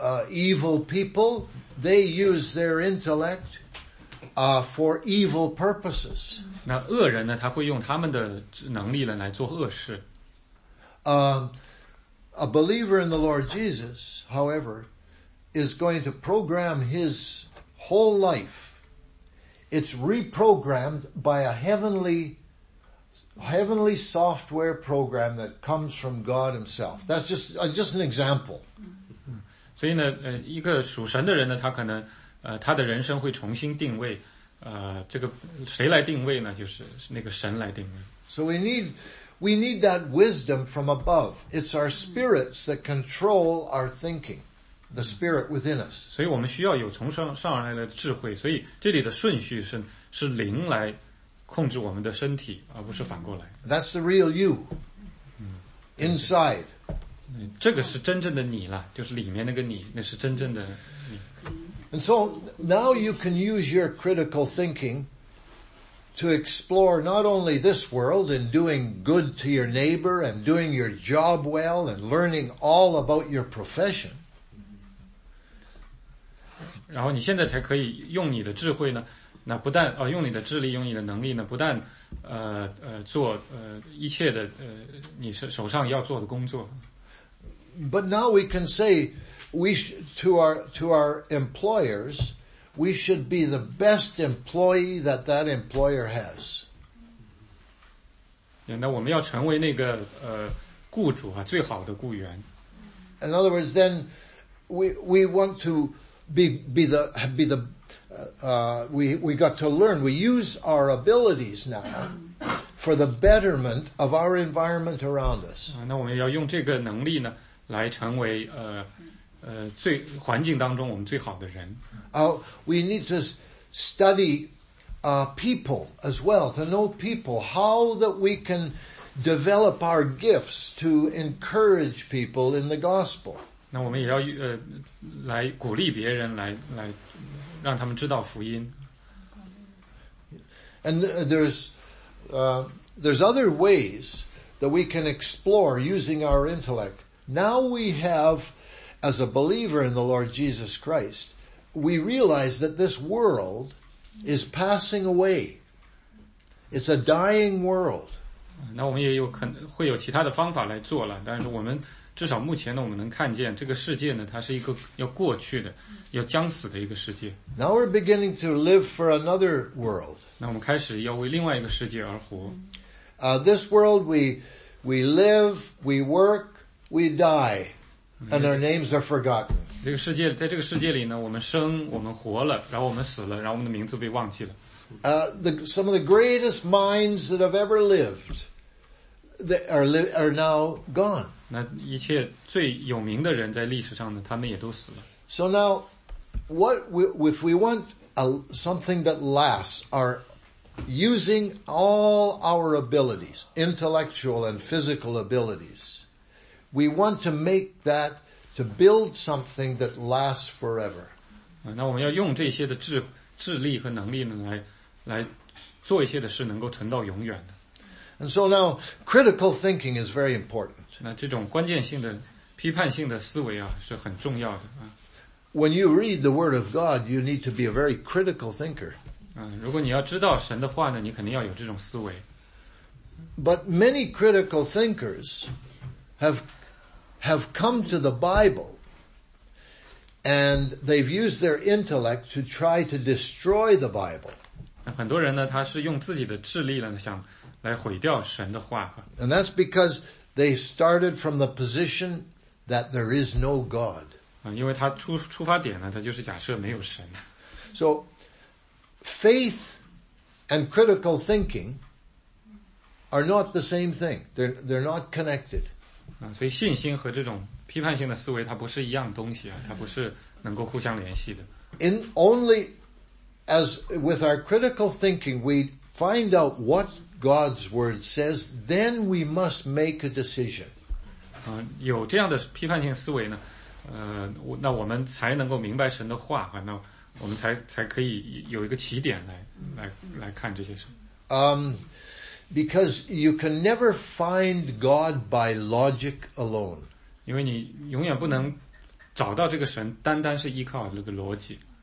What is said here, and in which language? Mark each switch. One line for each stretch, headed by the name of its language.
English: Evil people, they use their intellect, for evil purposes.
Chinese: 那恶人呢？他会用他们的能力来做恶事。
English: A believer in the Lord Jesus, however, is going to program his whole life. It's reprogrammed by a heavenly software program that comes from God Himself. That's just an example.
Chinese: 所以呢，一个属神的人呢，他可能，他的人生会重新定位，这个谁来定位呢？就是那个神来定位。
English: So we need that wisdom from above. It's our spirits that control our thinking, the spirit within us.
Chinese: 所以我们需要有从上而来的智慧。所以这里的顺序是灵来。控制我们的身体，而不是反过来。
English: That's the real you. Inside.
Chinese: 这个是真正的你了，就是里面那个你，那是真正的你。
English: And so now you can use your critical thinking to explore not only this world in doing good to your neighbor and doing your job well and learning all about your profession.
Chinese: 然后你现在才可以用你的智慧呢。那不但用你的智力，用你的能力呢，不但做一切的你是手上要做的工作。
English: But now we can say to our employers, we should be the best employee that employer has.
Chinese: 那我们要成为那个雇主啊，最好的雇员。
English: In other words, then we want to be the we got to learn. We use our abilities now for the betterment of our environment around us.
Chinese: 那我们要用这个能力呢，来成为最环境当中我们最好的人。
English: We need to study people as well, to know people, how that we can develop our gifts to encourage people in the gospel.
Chinese: 那我们也要来鼓励别人来。让他们知道福音。
English: And there's other ways that we can explore using our intellect. Now we have, as a believer in the Lord Jesus Christ, we realize that this world is passing away. It's a dying world.
Chinese: 那我们也会有其他的方法来做了，但是我们至少目前呢，我们能看见这个世界呢，它是一个要过去的、要将死的一个世界。
English: Now we're beginning to live for another world.
Chinese: 那我们开始要为另外一个世界而活。
English: This world we live, we work, we die, and our names are forgotten.
Chinese: 这个世界，在这个世界里呢，我们生，我们活了，然后我们死了，然后我们的名字被忘记了。
English: Some of the greatest minds that have ever lived, that are now gone.
Chinese: 那一切最有名的人在历史上呢，他们也都死了。
English: So now, if we want something that lasts, our using all our abilities, intellectual and physical abilities, we want to make that to build something that lasts forever.
Chinese: 那我们要用这些的智力和能力呢，来做一些的事，能够存到永远的。
English: And so now, critical thinking is very important.
Chinese: 那这种关键性的、批判性的思维啊，是很重要的啊。
English: When you read the Word of God, you need to be a very critical thinker.
Chinese: 如果你要知道神的话呢，你肯定要有这种思维。
English: But many critical thinkers have come to the Bible, and they've used their intellect to try to destroy the Bible.
Chinese: 很多人呢，他是用自己的智力呢，想来毁掉神的话。
English: And that's because they started from the position that there is no God.
Chinese: 因为他出发点呢，他就是假设没有神。
English: So, faith and critical thinking are not the same thing. They're not connected.
Chinese: 所以信心和这种批判性的思维，它不是一样东西啊，它不是能够互相联系的。
English: In only as with our critical thinking, we find out what God's word says, then we must make a decision.
Chinese: 有这样的批判性思维呢，那我们才能够明白神的话，那我们才可以有一个起点来看这些事。
English: Because you can never find God by logic alone.
Chinese: 因为你永远不能找到这个神，单单是依靠这个逻辑。